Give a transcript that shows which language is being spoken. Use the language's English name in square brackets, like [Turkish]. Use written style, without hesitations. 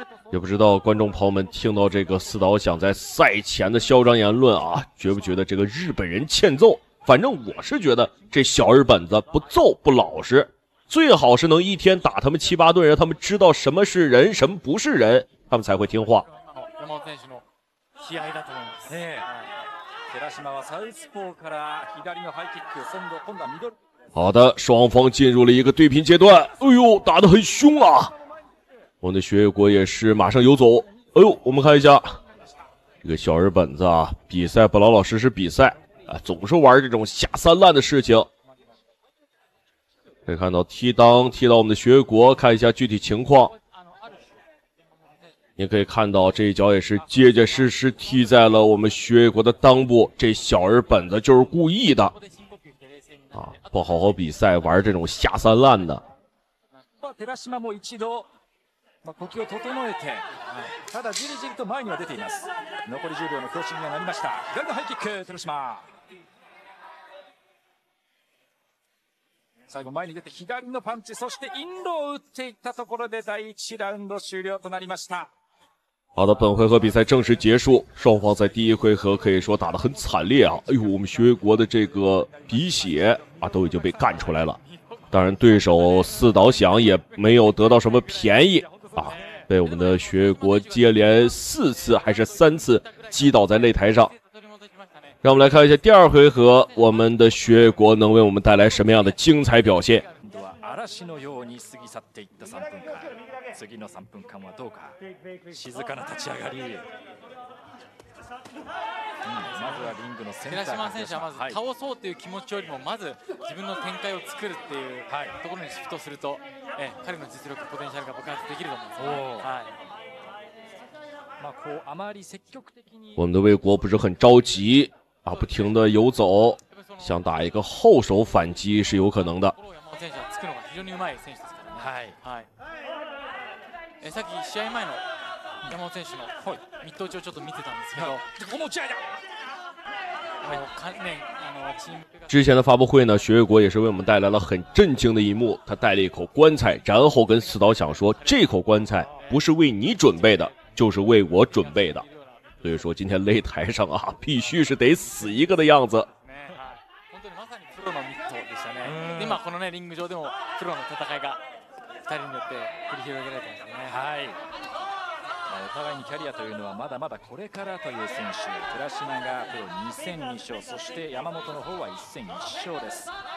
[Chinese] 也不知道观众朋友们听到这个四岛响在赛前的嚣张言论啊，觉不觉得这个日本人欠揍？反正我是觉得这小日本子不揍不老实，最好是能一天打他们七八顿，让他们知道什么是人，什么不是人，他们才会听话。 [Japanese] 山本選手の気合だと思います。寺島はサウスポーから左のハイキックを今度はミドル。 [Chinese] 好的，双方进入了一个对拼阶段。哎呦，打得很凶啊！我们的雪果也是马上游走。哎呦，我们看一下这个小日本子啊，比赛不老老实实比赛啊，总是玩这种下三滥的事情。可以看到踢裆踢到我们的雪果，看一下具体情况。你可以看到这一脚也是结结实实踢在了我们雪果的裆部，这小日本子就是故意的。啊，不好好比赛，玩这种下三滥的。 [Japanese] 最後前に出て左のパンチ、そしてインローを打っていったところで第1ラウンド終了となりました。 [Chinese] 好的，本回合比赛正式结束，双方在第一回合可以说打得很惨烈啊！哎呦，我们学国的这个鼻血啊都已经被干出来了。当然，对手四岛响也没有得到什么便宜啊，被我们的学国接连四次还是三次击倒在擂台上。让我们来看一下第二回合，我们的雪国能为我们带来什么样的精彩表现。 [Japanese] 嵐のように過ぎ去っていった3分間、次の3分間はどうか。静かな立ち上がり。まずはリングのセンター。寺島選手はまず倒そうという気持ちよりもまず自分の展開を作るっていうところにシフトすると、彼の実力ポテンシャルが爆発できると思います。まあこうあまり積極的に。 [Chinese] 我们的卫国不是很着急。啊，不停的游走，想打一个后手反击是有可能的。 [Japanese] 山本選手は突くのが非常にうまい選手ですからね。はいはい。さっき試合前の山本選手のミット打ちをちょっと見てたんですけど。この打ち合いだ。 [Chinese] 之前的发布会呢，雪月国也是为我们带来了很震惊的一幕。他带了一口棺材，然后跟四岛响说：“这口棺材不是为你准备的，就是为我准备的。” 所以说今天擂台上啊，必须是得死一个的样子。 [Japanese] 本当にまさにプロのミットでしたね。今このねリング上でもプロの戦いが2人によって繰り広げられてますね。はい。お互いにキャリアというのはまだまだこれからという選手。寺島がプロ2戦2勝、そして山本の方は1戦1勝です。